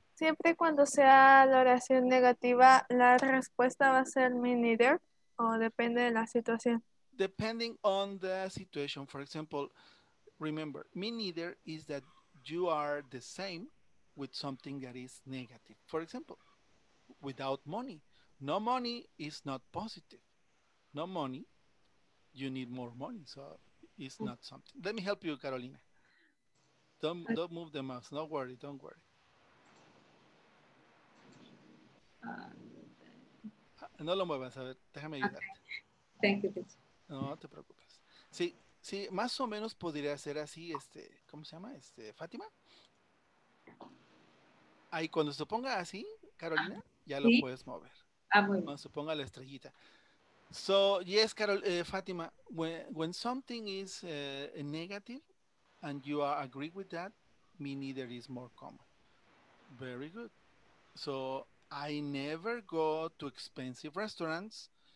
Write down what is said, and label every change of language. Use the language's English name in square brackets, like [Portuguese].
[Spanish] Siempre cuando sea la oración negativa, ¿la respuesta va a ser me neither? ¿O depende de la situación? [English] Depending on the situation, for example, remember, me neither is that you are the same with something that is negative. For example, without money. No money is not positive. No money, you need more money. So it's not something. Let me help you, Carolina. Don't move the mouse. Don't worry. Don't worry. [Spanish] No lo muevas. A ver, déjame ayudarte. [English] Thank you. [Spanish] No te preocupes. Sí. Sí, más o menos podría ser así, ¿cómo se llama? Fátima. Ahí cuando se ponga así, Carolina, ya lo puedes mover. Cuando se ponga la estrellita. [English] So, yes, Fátima, when something is negative and you agree with that, me neither is more common. Very good. So, I never go to expensive restaurants.